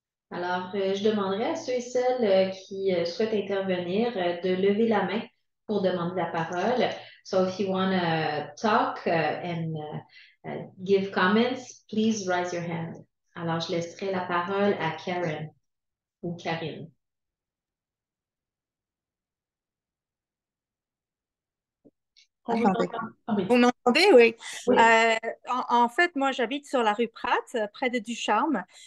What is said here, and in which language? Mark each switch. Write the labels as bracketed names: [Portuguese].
[French] Alors, je demanderai à ceux et celles qui souhaitent intervenir de lever la main pour demander la parole. [English] So, if you want to talk and give comments, please raise your hand. [French] Alors, je laisserai la parole à Karen ou Karine. Ah, On vous entend. Ah, vous m'entendez? Oui. oui. En fait, moi, j'habite sur la rue Pratt, près de Ducharme.